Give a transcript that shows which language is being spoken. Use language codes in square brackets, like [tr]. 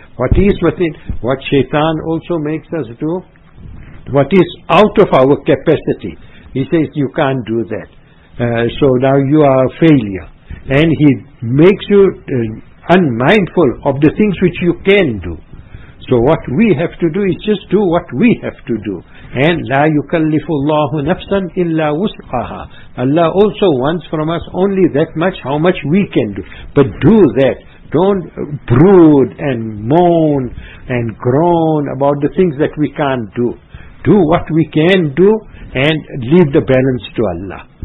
[en] What is within, what shaitan also makes us do, what is out of our capacity, he says you can't do that. So now you are a failure. And he makes you unmindful of the things which you can do. So what we have to do is just do what we have to do. And [ar] لا يكلف الله نفسا إلا وسعها. [en] Allah also wants from us only that much, how much we can do. But do that. Don't brood and moan and groan about the things that we can't do. Do what we can do and leave the balance to Allah.